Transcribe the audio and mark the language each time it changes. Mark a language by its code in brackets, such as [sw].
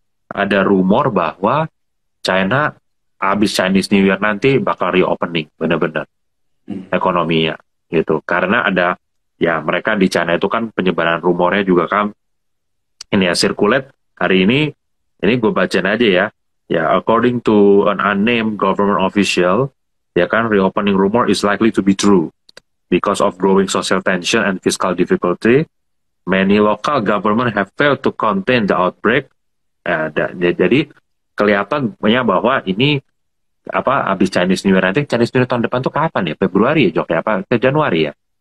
[id] Ada rumor bahwa China habis Chinese New Year nanti bakal reopening benar-benar ekonominya gitu. Karena ada ya mereka di China itu kan penyebaran rumornya juga kan ini ya circulate hari ini gue bacain aja ya. [en] Ya according to an unnamed government official, [id] ya kan [en] reopening rumor is likely to be true because of growing social tension and fiscal difficulty. Many local government have failed to contain the outbreak. [id] Jadi kelihatannya bahwa ini apa habis Chinese New Year nanti, Chinese New Year tahun depan tuh kapan ya? Februari ya, Jok ya apa ke Januari ya?